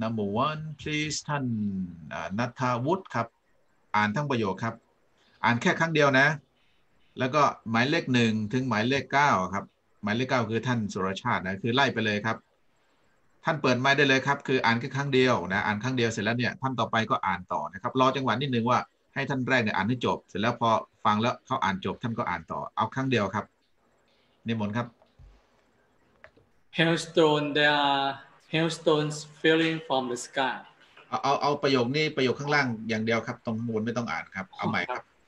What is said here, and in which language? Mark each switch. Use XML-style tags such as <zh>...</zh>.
<en>Number one, please,</en> <th>ท่านนัทธาวุฒิครับอ่านทั้งประโยคครับอ่านแค่ครั้งเดียวนะแล้วก็หมายเลข1ถึงหมายเลข9ครับหมายเลข9คือท่านสุรชาตินะคือไล่ไปเลยครับท่านเปิดไมค์ได้เลยครับคืออ่านแค่ครั้งเดียวนะอ่านครั้งเดียวเสร็จแล้วเนี่ยท่านต่อไปก็อ่านต่อนะครับรอจังหวะนิดนึงว่าให้ท่านแรกเนี่ยอ่านให้จบเสร็จแล้วพอฟังแล้วเขาอ่านจบท่านก็อ่านต่อเอาครั้งเดียวครับนิมนต์ครับ</th> <en>Hailstone, there are hailstones falling from the sky.</en> <th>เอาประโยคนี้ประโยคข้างล่างอย่างเดียวครับตรงข้างบนไม่ต้องอ่านครับเอาใหม่ครับ</th>